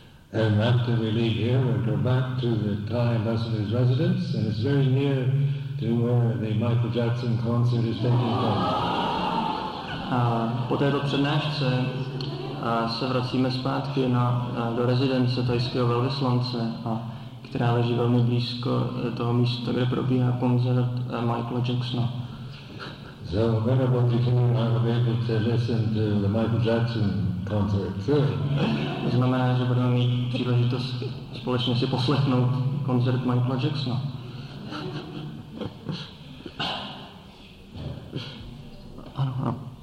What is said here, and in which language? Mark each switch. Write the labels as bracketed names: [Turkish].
[English] And after we leave here, we'll go back to the Thai ambassador's residence, and it's very near to where the Michael Jackson concert is taking place. [Czech] Po této přednášce se vracíme zpátky do rezidence thajského velvyslance, která leží velmi blízko toho místa, kde probíhá koncert Michaela Jacksona. [English] So, Venerable Jitendra and I will be able to listen to the Michael Jackson concert. [Czech] To znamená, že budeme mít příležitost společně si poslechnout koncert Michaela Jacksona. Ano, ano.